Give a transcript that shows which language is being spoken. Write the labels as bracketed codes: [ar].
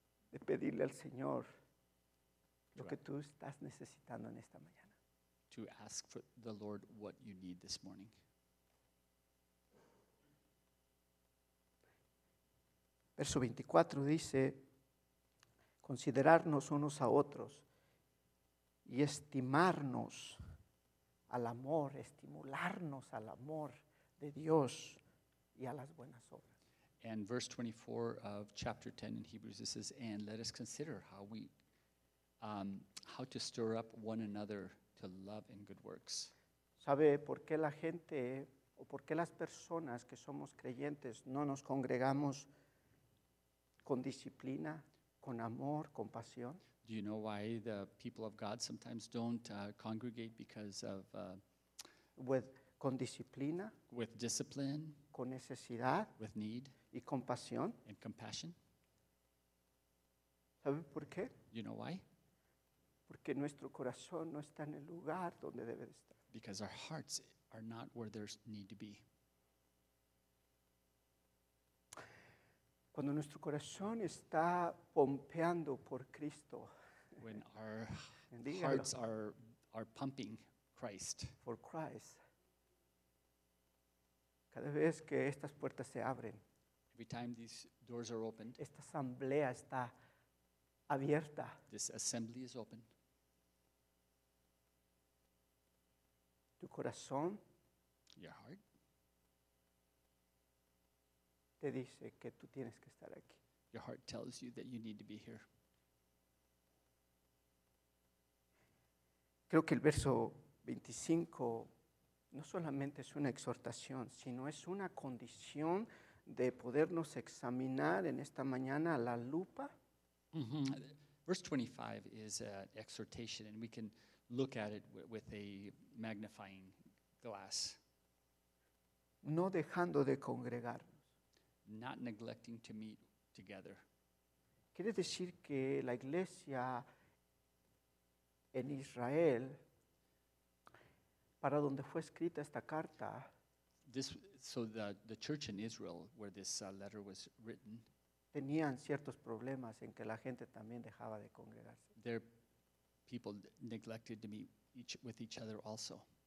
[es] De pedirle al Señor lo que tú estás necesitando en esta mañana. [en] To ask for the Lord what you need this morning. [es] Verso 24 dice, considerarnos unos a otros y estimarnos al amor, estimularnos al amor de Dios y a las buenas obras. [en] And verse 24 of chapter 10 in Hebrews, it says, and let us consider how we, how to stir up one another to love and good works. [es] ¿Sabe por qué la gente o por qué las personas que somos creyentes no nos congregamos con disciplina, con amor, con pasión? [en] Do you know why the people of God sometimes don't congregate because of with [es] con disciplina, [en] with discipline, [es] con necesidad, [en] with need, [es] y con pasión? [en] And compassion. [es] ¿Sabe por qué? [en] You know why? [es] Porque nuestro corazón no está en el lugar donde debe de estar. [en] Because our hearts are not where they need to be. [es] Cuando nuestro corazón está pompeando por Cristo. [en] When our hearts are pumping Christ. For Christ. [es] Cada vez que estas puertas se abren. [en] Every time these doors are opened. [es] Esta asamblea está abierta. [en] This assembly is open. [es] Tu corazón. [en] Your heart. [es] Te dice que tú tienes que estar aquí. [en] Your heart tells you that you need to be here. [es] Creo que el verso 25 no solamente es una exhortación, sino es una condición de podernos examinar en esta mañana a la lupa. Mm-hmm. [en] Verse 25 is an exhortation, and we can look at it with a magnifying glass. [es] No dejando de congregar. [en] Not neglecting to meet together. [es] Quiere decir que la iglesia en Israel, para donde fue escrita esta carta, [en] the church in Israel where this letter was written, [es] tenían ciertos problemas en que la gente también dejaba de congregarse. [en] Their people neglected to meet with each other also.